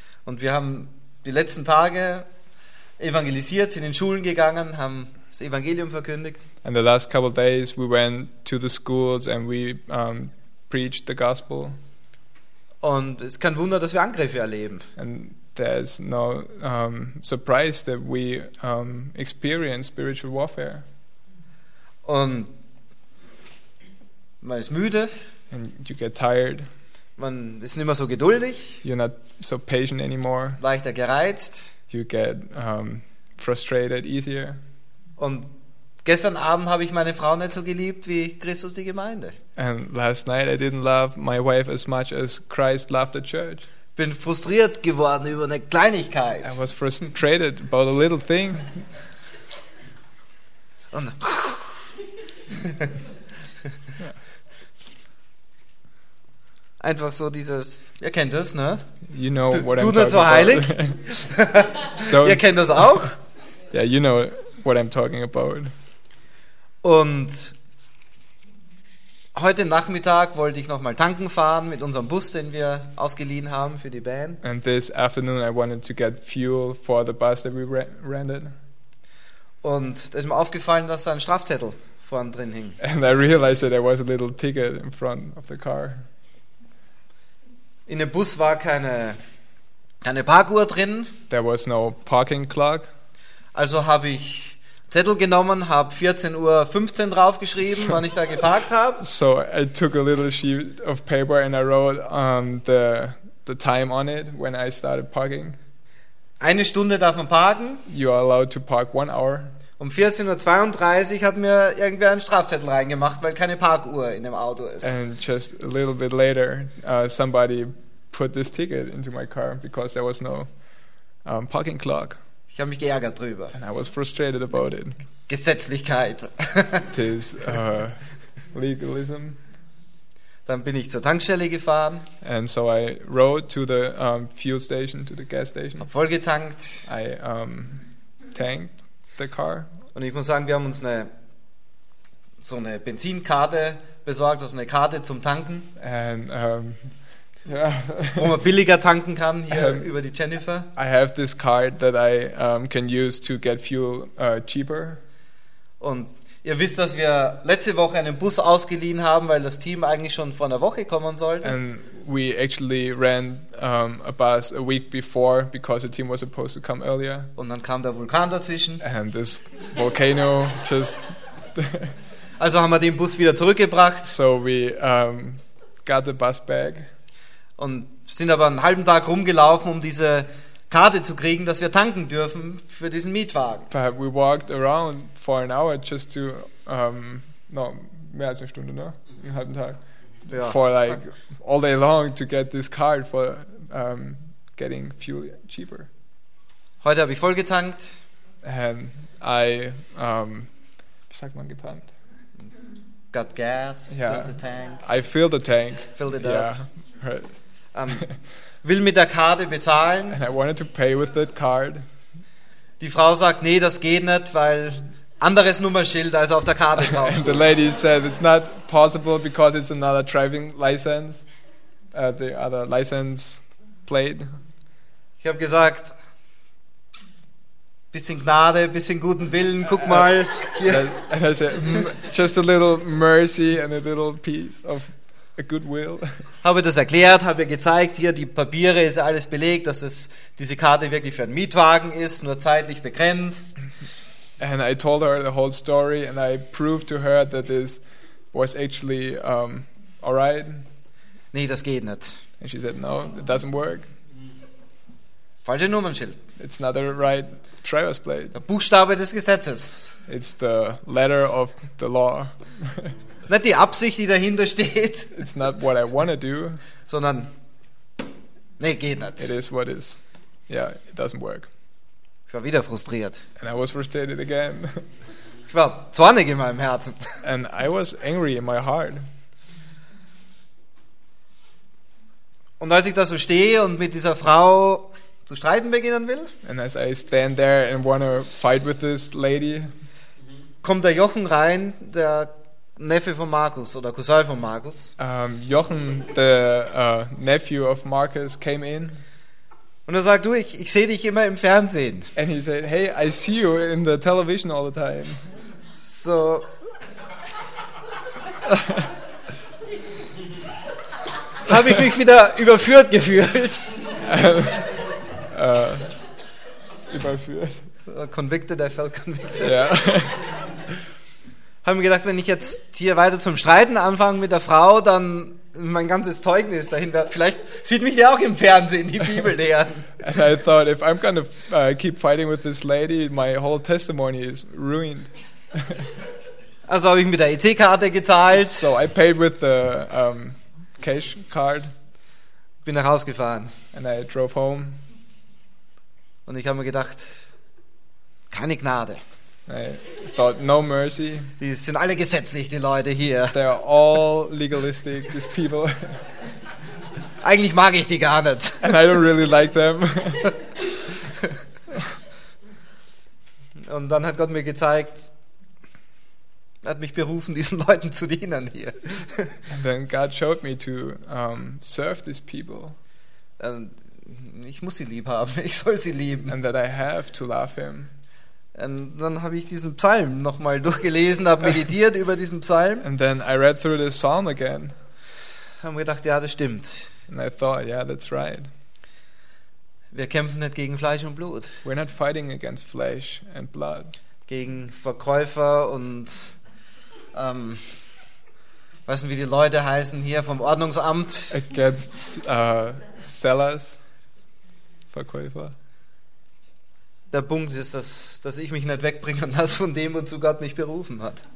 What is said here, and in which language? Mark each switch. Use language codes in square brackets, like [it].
[de] Und wir haben die letzten Tage evangelisiert, sind in Schulen gegangen, haben das Evangelium verkündigt. [en] And the last couple of days we went to the schools and we preached the gospel. [de] Und es ist kein Wunder, dass wir Angriffe erleben. [en] And there's no surprise that we experience spiritual warfare. [de] Und man ist müde. [en] And you get tired. [de] Man ist nicht mehr so geduldig. [en] You're not so patient anymore. [de] Leichter gereizt. [en] You get frustrated easier. [de] Und gestern Abend habe ich meine Frau nicht so geliebt wie Christus die Gemeinde. [en] And last night I didn't love my wife as much as Christ loved the church. [de] Bin frustriert geworden über eine Kleinigkeit. [en] I was frustrated about a little thing. [de] Und einfach so dieses, ihr kennt das, ne? [en] You know what [de] du [en] I'm talking [de] so heilig. [en] About. [de] Ihr kennt das auch? [en] Yeah, you know what I'm talking about. [de] Und heute Nachmittag wollte ich nochmal tanken fahren mit unserem Bus, den wir ausgeliehen haben für die Band. [en] And this afternoon I wanted to get fuel for the bus that we rented. [de] Und da ist mir aufgefallen, dass da ein Strafzettel vorn drin hing. [en] And I realized that there was a little ticket in front of the car. [de] In dem Bus war keine Parkuhr drin. [en] There was no parking clock. [de] Also habe ich Zettel genommen, habe 14:15 Uhr draufgeschrieben, so, wann ich da geparkt habe. [en] So I took a little sheet of paper and I wrote the time on it when I started parking. [de] Eine Stunde darf man parken. [en] You are allowed to park 1 hour. [de] Um 14:32 Uhr hat mir irgendwer einen Strafzettel reingemacht, weil keine Parkuhr in dem Auto ist. [en] And just a little bit later, somebody put this ticket into my car because there was no parking clock. [de] Ich habe mich geärgert drüber. [en] And I was frustrated about it. [de] Gesetzlichkeit. [en] This legalism. [de] Dann bin ich zur Tankstelle gefahren. [en] And so I rode to the fuel station, to the gas station. [de] Hab voll getankt. [en] I tanked the car. [de] Und ich muss sagen, wir haben uns so eine Benzinkarte besorgt, also eine Karte zum Tanken. [en] And [de] wo man billiger tanken kann hier über die Jennifer. [en] I have this card that I can use to get fuel cheaper. [de] Und ihr wisst, dass wir letzte Woche einen Bus ausgeliehen haben, weil das Team eigentlich schon vor einer Woche kommen sollte. [en] And we actually ran a bus a week before because the team was supposed to come earlier. [de] Und dann kam der Vulkan dazwischen. [en] And this volcano just. [de] Also haben wir den Bus wieder zurückgebracht. [en] So we got the bus back. [de] Und sind aber einen halben Tag rumgelaufen, um diese Karte zu kriegen, dass wir tanken dürfen für diesen Mietwagen. [en] But we walked around for an hour just to no, [de] mehr als eine Stunde, ne? Einen halben Tag. Ja. [en] For like all day long to get this card for getting fuel cheaper. [de] Heute habe ich voll getankt. [en] And I [de] wie sagt man getankt? [en] Got gas, yeah. Filled the tank. I filled the tank. Filled it up. Yeah. Right. [de] Will mit der Karte bezahlen. [en] And I wanted to pay with that card. [de] Die Frau sagt, nee, das geht nicht, weil anderes Nummernschild als auf der Karte drauf. [en] The lady said it's not possible because it's another driving license, the other license plate. [de] Ich habe gesagt, bisschen Gnade, bisschen guten Willen, guck mal hier. [en] And I said, just a little mercy and a little piece of a good will. [de] Habe das erklärt, habe ihr gezeigt, hier die Papiere, ist alles belegt, dass es diese Karte wirklich für einen Mietwagen ist, nur zeitlich begrenzt. [en] And I told her the whole story and I proved to her that this was actually all right. [de] Nee, das geht nicht. [en] And she said, no, it doesn't work. [de] Falsche Nummernschild. [en] It's not the right driver's plate. [de] Der Buchstabe des Gesetzes. [en] It's the letter of the law. [de] Nicht die Absicht, die dahinter steht. [en] It's not what I want to do. [de] Sondern, nee, geht nicht. [en] It is what is. Yeah, it doesn't work. [de] Ich war wieder frustriert. [en] And I was frustrated again. [de] Ich war zornig in meinem Herzen. [en] And I was angry in my heart. [de] Und als ich da so stehe und mit dieser Frau zu streiten beginnen will, [en] and as I stand there and want to fight with this lady, [de] kommt der Jochen rein, der Neffe von Markus oder Cousin von Markus. [en] Jochen, the nephew of Marcus, came in. [de] Und sagt, du, ich sehe dich immer im Fernsehen. [en] And he said, hey, I see you in the television all the time. [de] So. Habe ich mich wieder überführt gefühlt. Überführt. [en] Convicted, I felt convicted. Ja. Yeah. [de] Haben gedacht, wenn ich jetzt hier weiter zum Streiten anfange mit der Frau, dann mein ganzes Zeugnis dahin wird. Vielleicht sieht mich ja auch im Fernsehen die Bibel lehren. [en] And I thought, if I'm gonna keep fighting with this lady, my whole testimony is ruined. [de] Also habe ich mit der EC-Karte gezahlt. [en] So I paid with the cash card. [de] Bin nach Hause gefahren. [en] And I drove home. [de] Und ich habe mir gedacht, keine Gnade. [en] I thought, no mercy. [de] Die sind alle gesetzlich, die Leute hier. [en] They are all legalistic, these people. [de] Eigentlich mag ich die gar nicht. [en] And I don't really like them. [de] Und dann hat Gott mir gezeigt, er hat mich berufen, diesen Leuten zu dienen hier. [en] And then God showed me to serve these people. [de] Und ich muss sie lieb haben, ich soll sie lieben. [en] And that I have to love him. [de] Und dann habe ich diesen Psalm nochmal durchgelesen, habe meditiert über diesen Psalm. [en] And then I read through the Psalm again. [de] Haben gedacht, ja, das stimmt. [en] And I thought, yeah, that's right. [de] Wir kämpfen nicht gegen Fleisch und Blut. [en] We're not fighting against flesh and blood. [de] Gegen Verkäufer und weiß nicht, wie die Leute heißen hier vom Ordnungsamt. [en] Against sellers, Verkäufer. [de] Der Punkt ist, dass ich mich nicht wegbringen lasse von dem, wozu Gott mich berufen hat.